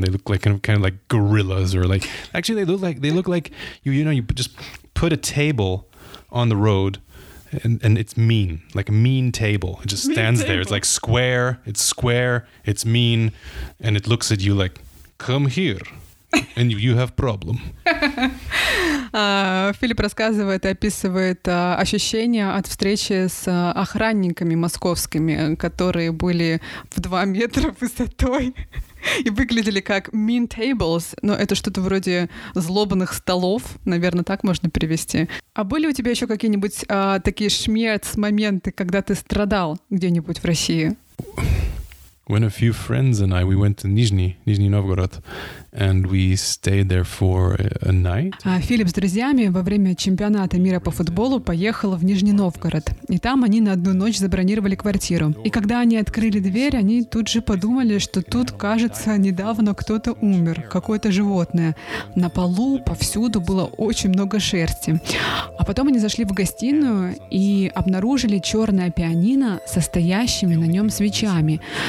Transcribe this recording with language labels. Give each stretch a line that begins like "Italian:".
English: They look like kind of like gorillas, or like, actually they look like you know, you just put a table on the road and it's mean, like a mean table. It just stands there. It's like square. It's square. It's mean. And it looks at you like, come here. And you have problem.
Russian: Филипп рассказывает и описывает ощущения от встречи с охранниками московскими, которые были в 2 метра высотой и выглядели как
English: mean tables,
Russian: но это что-то вроде злобных столов, наверное, так можно перевести. А были у тебя еще какие-нибудь такие шмец-моменты, когда ты страдал где-нибудь в России?
English: When a few friends and I, we went to Nizhny Novgorod, and we stayed there for a night.
Russian: Филипп с друзьями во время чемпионата мира по футболу поехал в Нижний Новгород, и там они на одну ночь забронировали квартиру. И когда они открыли дверь, они тут же подумали, что тут, кажется, недавно кто-то умер, какое-то животное. На полу, повсюду было очень много шерсти. А потом они зашли в гостиную и обнаружили черное пианино со стоящими на нем свечами.